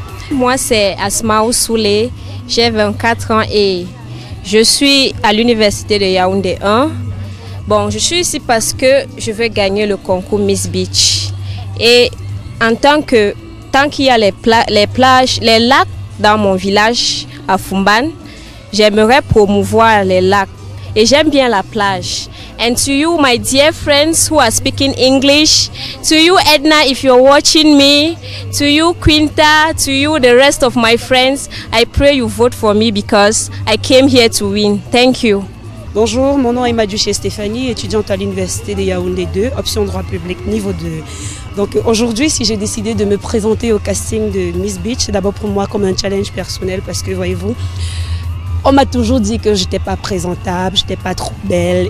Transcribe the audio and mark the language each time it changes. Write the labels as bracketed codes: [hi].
[fr] Moi, c'est Asma Oussoulé, j'ai 24 ans et je suis à l'université de Yaoundé 1. Bon, je suis ici parce que je veux gagner le concours Miss Beach. Et en tant qu'il y a les plages, les lacs dans mon village à Foumbane, j'aimerais promouvoir les lacs. Et j'aime bien la plage. [en] And to you, my dear friends who are speaking English, to you, Edna, if you're watching me, to you, Quinta, to you, the rest of my friends, I pray you vote for me because I came here to win. Thank you. [fr] Bonjour, mon nom est Maduche Stéphanie, étudiante à l'université de Yaoundé 2, option droit public niveau 2. Donc aujourd'hui, si j'ai décidé de me présenter au casting de Miss Beach, c'est d'abord pour moi comme un challenge personnel parce que voyez-vous, on m'a toujours dit que je n'étais pas présentable, je n'étais pas trop belle.